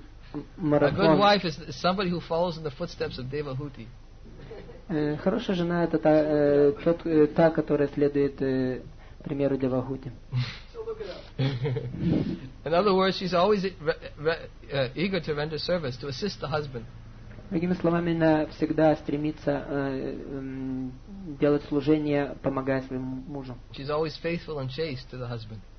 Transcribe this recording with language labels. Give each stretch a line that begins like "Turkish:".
English: A good wife is somebody who follows in the footsteps of Devahuti.
Russian: Хорошая жена это та, которая следует примеру Девахути.
English: In other words, she's always eager to render service, to assist the husband.
Russian: Другими словами, она всегда стремится делать служение, помогая своему мужу.
English: She's always faithful and chaste to the husband.